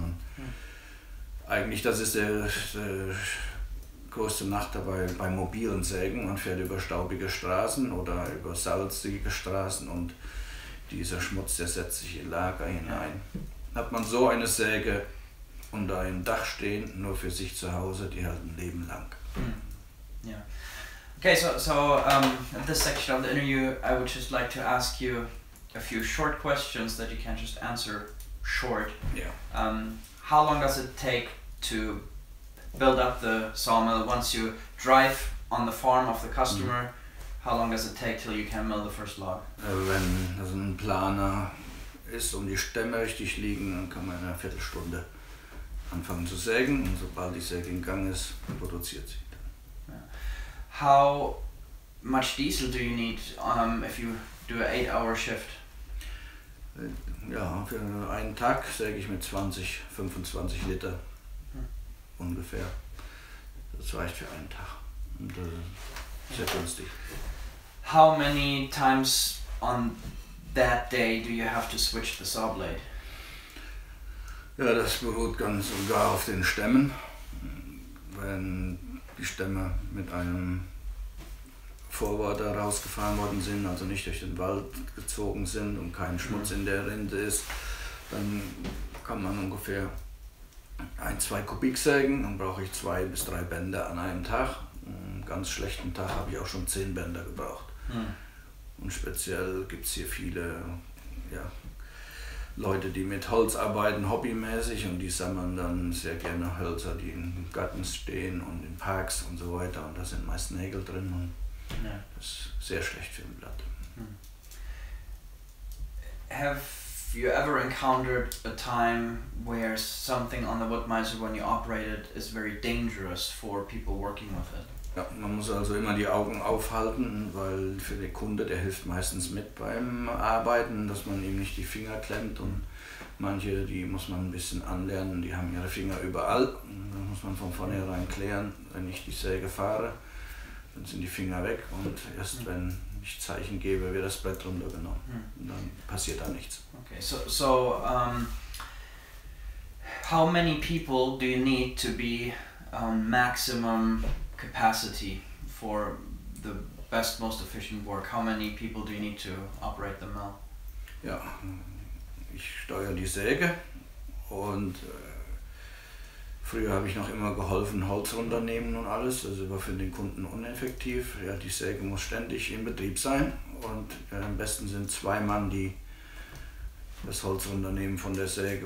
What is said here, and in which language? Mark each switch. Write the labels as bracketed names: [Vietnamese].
[German] Und eigentlich, das ist der größte Nachteil bei mobilen Sägen. Man fährt über staubige Straßen oder über salzige Straßen und dieser Schmutz, der setzt sich in Lager hinein. Hat man so eine Säge unter einem Dach stehen, nur für sich zu Hause, die hält ein Leben lang. Ja. [English] Okay, so at this section of the interview, I would just like to ask you a few short questions that you can just answer short. Yeah. How long does it take to build up the sawmill once you drive on the farm of the customer? Mm. How long does it take till you can mill the first log? [German] Wenn das ein Planer ist und die Stämme richtig liegen, dann kann man in einer Viertelstunde anfangen zu sägen. Und sobald die Säge in Gang ist, produziert sie dann. [English] Yeah. How much diesel do you need if you do an 8-hour shift? [German] Ja, für einen Tag säge ich mit 25 Liter ungefähr. Das reicht für einen Tag. Und das ist sehr günstig. [English] How many times on that day do you have to switch the saw blade? [German] Ja, das beruht ganz und gar auf den Stämmen. Wenn die Stämme mit einem Vorwärter rausgefahren worden sind, also nicht durch den Wald gezogen sind und kein Schmutz in der Rinde ist, dann kann man ungefähr 1-2 Kubik sägen, dann brauche ich 2-3 Bänder an einem Tag. Einen ganz schlechten Tag habe ich auch schon 10 Bänder gebraucht. Mhm. Und speziell gibt es hier viele Leute, die mit Holz arbeiten, hobbymäßig, und die sammeln dann sehr gerne Hölzer, die in Gärten stehen und in Parks und so weiter, und da sind meist Nägel drin. Und [English] yeah. [German] Das ist sehr schlecht für ein Blatt. [English] Have you ever encountered a time where something on the Woodmeister, when you operate it, is very dangerous for people working with it? [German] Ja, man muss also immer die Augen aufhalten, weil für den Kunde, der hilft meistens mit beim Arbeiten, dass man ihm nicht die Finger klemmt. Und manche, die muss man ein bisschen anlernen, die haben ihre Finger überall. Da muss man von vornherein klären, wenn ich die Säge fahre, dann sind die Finger weg und erst wenn ich Zeichen gebe, wird das Brett runtergenommen. Und dann passiert da nichts. [English] Okay, so, how many people do you need to be maximum capacity for the best, most efficient work? How many people do you need to operate the mill? [German] Ja, ich steuere die Säge und früher habe ich noch immer geholfen, Holz runternehmen und alles. Das war für den Kunden uneffektiv. Ja, die Säge muss ständig in Betrieb sein. Und am besten sind 2 Mann, die das Holz runternehmen von der Säge.